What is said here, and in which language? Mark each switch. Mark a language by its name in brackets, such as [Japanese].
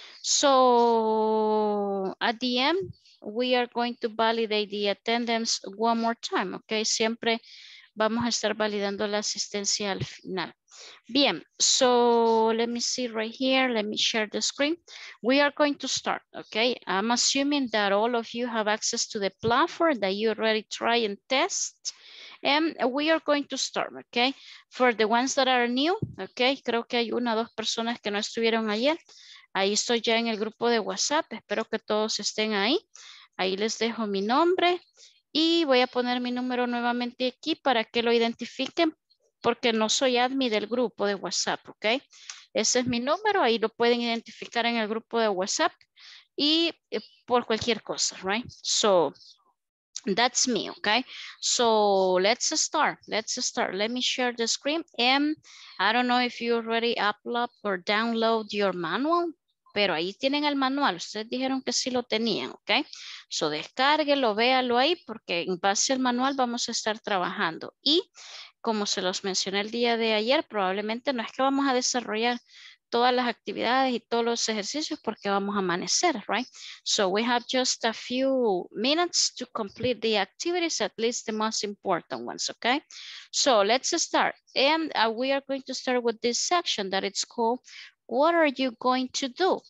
[English] So at the end, we are going to validate the attendance one more time, okay? [Spanish] Siempre vamos a estar validando la asistencia al final. [English] Bien, so let me see right here. Let me share the screen. We are going to start, okay? I'm assuming that all of you have access to the platform that you already try and test. And we are going to start, okay? For the ones that are new, okay? [Spanish] Creo que hay una o dos personas que no estuvieron ayer. Ahí estoy ya en el grupo de WhatsApp. Espero que todos estén ahí. Ahí les dejo mi nombre. Y voy a poner mi número nuevamente aquí para que lo identifiquen, porque no soy admin del grupo de WhatsApp, ¿ok? Ese es mi número. Ahí lo pueden identificar en el grupo de WhatsApp. Y por cualquier cosa, right? [English] So, that's me, [Spanish] ¿ok? [English] So, let's start. Let's start. Let me share the screen. And I don't know if you already upload or download your manual. [Spanish] Pero ahí tienen el manual. Ustedes dijeron que sí lo tenían, ¿ok? So, descárguelo, véalo ahí, porque en base al manual vamos a estar trabajando. Y como se los mencioné el día de ayer, probablemente no es que vamos a desarrollar todas las actividades y todos los ejercicios porque vamos a amanecer, right? [English] So we have just a few minutes to complete the activities, at least the most important ones, okay? So let's start. And we are going to start with this section that it's called, what are you going to do?